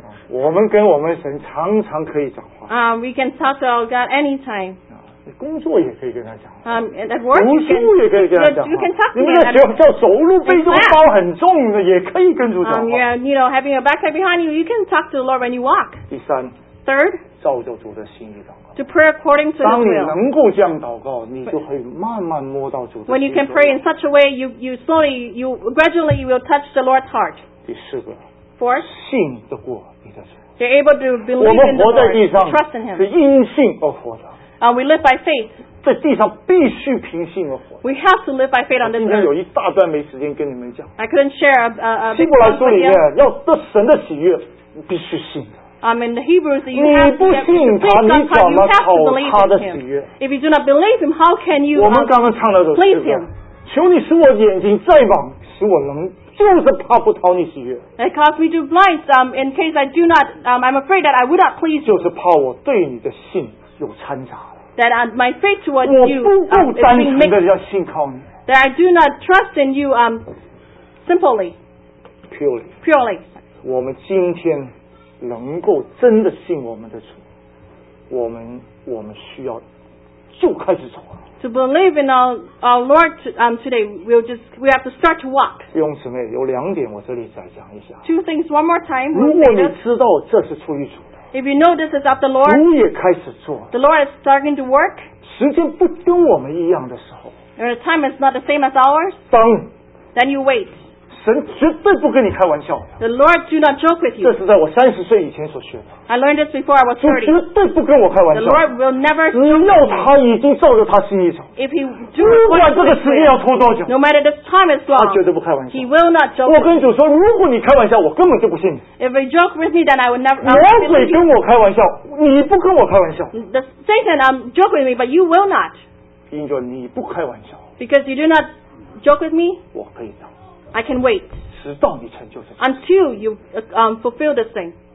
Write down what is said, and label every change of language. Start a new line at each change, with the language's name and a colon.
Chinese: 我们跟我们神常常可以讲话,
English: we can talk to our God anytime.
Chinese: 工作也可以跟他讲话，读书也可以跟他讲话，你们的脚走路背着包很重的也可以跟主讲话。
English: You know, having a backpack behind you, you can talk to the Lord when you walk.
Chinese: 第三,
English: third,
Chinese: 照着主的心意祷告,
English: to pray according to His will.
Chinese: 当你能够这样祷告, 你就会慢慢摸到主的心意祷告。
English: When you can pray in such a way, you slowly, you gradually will touch the Lord's heart.
Chinese: 第四个,
English: fourth,
Chinese: 信得过你的神,
English: you're able to believe in the Lord, trust in Him.
Chinese: 是因信而活的,
English: we live by faith. We have to live by faith on this earth. I couldn't share a big part of it. In the Hebrews, you have to believe in God. You have to believe in Him. If you do not believe Him, how can you please Him? It caused me to blind. In case I do not, I'm afraid that I would not please you.
Chinese: 就是怕我对你的信有掺杂,
English: that my faith towards you is being mixed, that I do not trust in you simply, purely.
Chinese: 我们今天能够真的信我们的主, 我们需要就开始走了,
English: to believe in our Lord today, we have to start to walk.
Chinese: 弟兄姊妹, 有两点我这里再讲一下,
English: two things one more time.
Chinese: 如果你知道这是出于主,
English: if you know this is of the Lord,
Chinese: 主也开始做,
English: the Lord is starting to work,
Chinese: 时间不跟我们一样的时候,
English: and the time is not the same as ours,
Chinese: 当,
English: then you wait.
Chinese: 神绝对不跟你开玩笑,
English: the Lord do not joke with you.
Chinese: 这是在我30岁以前所学的,
English: I learned this before I was 30.
Chinese: 绝对不跟我开玩笑,
English: the Lord will never not, no matter this time is long,
Chinese: 他绝对不开玩笑,
English: he will not joke with you.
Chinese: 我跟主说, 如果你开玩笑, 我根本就不信,
English: if you joke with me, then I will never believe you. Satan, joke with me, but you will not.
Chinese: 因着你不开玩笑,
English: because you do not joke with me, I can wait until you fulfill this thing.